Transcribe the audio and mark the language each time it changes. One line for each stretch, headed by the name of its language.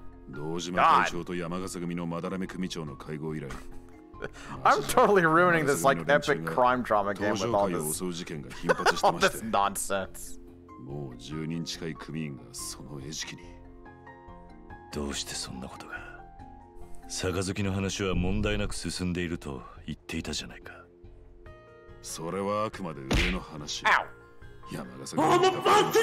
Japanese: 道島会長と山笠組のまだらめ組長の会合以来、
English: I'm totally ruining this like epic crime drama game with all this, all this nonsense.
Japanese: もう10人近い組員がその餌食に。どうしてそんなことが。杯の話は問題なく進んでいると言っていたじゃないか。それはあくまで上の話。 Ow!
English: I'm about to